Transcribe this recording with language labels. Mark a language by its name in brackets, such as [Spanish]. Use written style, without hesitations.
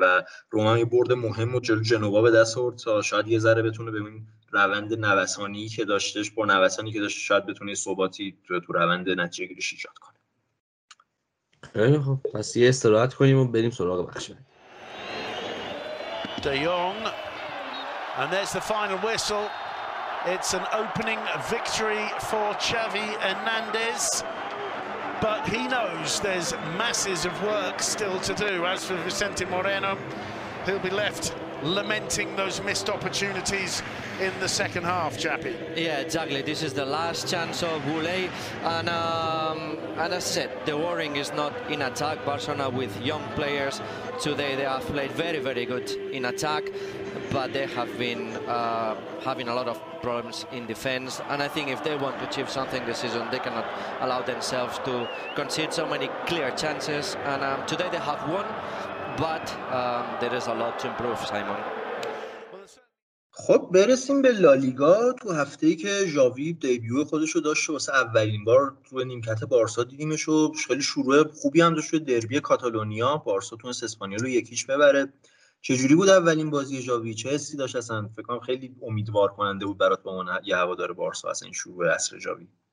[Persian] و روم هم یه برد مهم و جلو جنوا به دست آورد تا شاید یه ذره بتونه ببین روند نوسانی که داشتش با نوسانی که داشته شاید بتونه ثباتی تو روند نتیجه گیریش ایجاد کنه. خب پس یه استراحت کنیم و بریم سراغ بخش بعدی. [English] دیونگ and there's the final whistle. It's an opening victory for Xavi Hernandez, but he knows there's masses of work still to do. As for Vicente Moreno, he'll be left lamenting those missed opportunities in the second half, Chappie. Yeah, exactly. This is the last chance of Boulay. And as I said, the worrying is not in attack. Barcelona with young players today, they have played very, very good in attack, but they have been having a lot of problems in defense. And I think if they want to achieve something this season, they cannot allow themselves to concede so many clear chances. And today they have won. But there is a lot to improve, Simon. [Persian] خب برسیم به لالیگا. تو هفته‌ای که ژاوی دیبیو خودش رو داشت واسه اولین بار تو نیمکت بارسا دیدیمش، و خیلی شروع خوبی هم داشت توی دربی کاتالونیا. بارسا تونست اسپانیا رو 1-0 ببره. چجوری بود اولین بازی ژاوی؟ چه حسی داشت؟ اصلا فکر کنم خیلی امیدوار کننده بود برات با من یه هوادار بارسا اصلا این شروع عصر ژاوی.